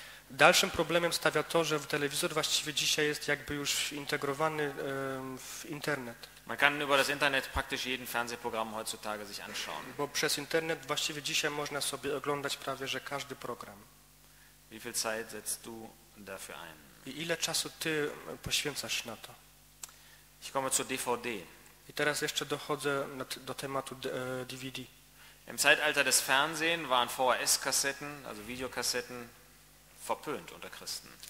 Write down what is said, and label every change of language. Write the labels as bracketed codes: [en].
[pl] Dalszym problemem stawia to, że telewizor właściwie dzisiaj jest jakby już integrowany w Internet. [de] Man kann über das Internet praktisch jeden Fernsehprogramm heutzutage sich anschauen. [pl] Bo przez Internet właściwie dzisiaj można sobie oglądać prawie że każdy program. [de] Wie viel Zeit setzt du dafür ein? [pl] I ile czasu ty poświęcasz na to? [de] Ich komme zur DVD. [pl] I teraz jeszcze dochodzę do tematu DVD. [de] Im Zeitalter des Fernsehens waren VHS-Kassetten, also Videokassetten, verpönt unter Christen.